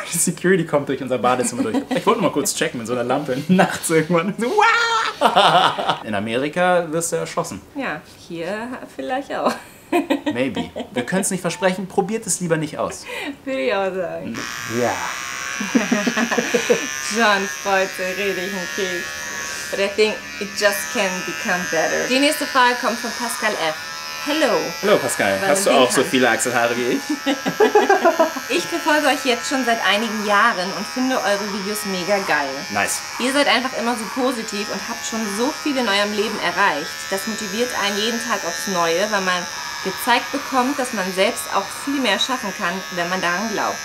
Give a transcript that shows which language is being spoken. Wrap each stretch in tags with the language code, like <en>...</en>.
<de>Die Security kommt durch unser Badezimmer durch. Ich wollte mal kurz checken mit so einer Lampe nachts irgendwann. In Amerika wirst du erschossen. Ja, hier vielleicht auch.</de> <en>Maybe.</en> <de>Wir können es nicht versprechen, probiert es lieber nicht aus. Würde ich auch sagen. Ja. John freut sich, rede ich einen Keks.</de> <en>But I think it just can become better.</en> <de>Die nächste Frage kommt von Pascal F.</de> <en>Hello.</en> <de>Hallo Pascal, hast du auch so viele Achselhaare wie ich? Ich verfolge euch jetzt schon seit einigen Jahren und finde eure Videos mega geil.</de> <en>Nice.</en> <de>Ihr seid einfach immer so positiv und habt schon so viel in eurem Leben erreicht. Das motiviert einen jeden Tag aufs Neue, weil man gezeigt bekommt, dass man selbst auch viel mehr schaffen kann, wenn man daran glaubt.</de>